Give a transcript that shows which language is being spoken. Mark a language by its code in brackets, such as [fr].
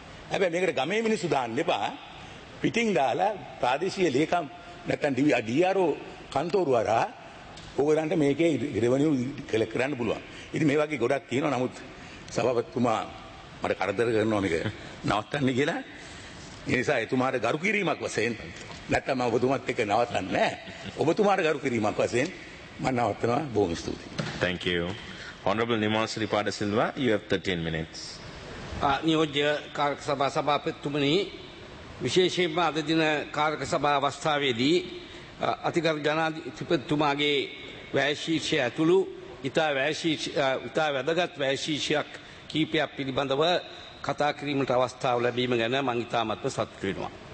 [si] හැබැයි මේකට ගමේ මිනිස්සු දාන්න එපා. පිටින් දාලා ප්‍රාදේශීය ලේකම් නැත්තම් DRO කන්තෝරුව හරහා ඕගොල්ලන්ට මේකේ [en] revenue collect [si] කරන්න පුළුවන්. ඉතින් මේ වගේ ගොඩක් තියෙනවා. නමුත් සභාපතිතුමා මට කරදර කරනවා මේක නවත්තන්න කියලා. ඒ නිසා එතුමාට ගරු කිරීමක් වශයෙන් නැත්තම් ඔබතුමාත් එක්ක නවත්තන්නේ නැහැ. ඔබතුමාට ගරු කිරීමක් වශයෙන් මම නවත්තනවා. බොහොම ස්තුතියි. [en] Thank you. Honorable Nimasri Padasilva, you have 13 minutes. [si] නියෝජ්‍ය කාරක සභා සභාපතිතුමනි, විශේෂයෙන්ම අද දින කාරක සභා අවස්ථාවේදී අතිගරු ජනාධිපතිතුමාගේ වැයශීර්ෂය ඇතුළු ඉතා වැදගත් වැයශීර්ෂයක් කීපයක් පිළිබඳව කතා කිරීමට අවස්ථාව ලැබීම ගැන මං ඉතාමත්ව සතුටු වෙනවා.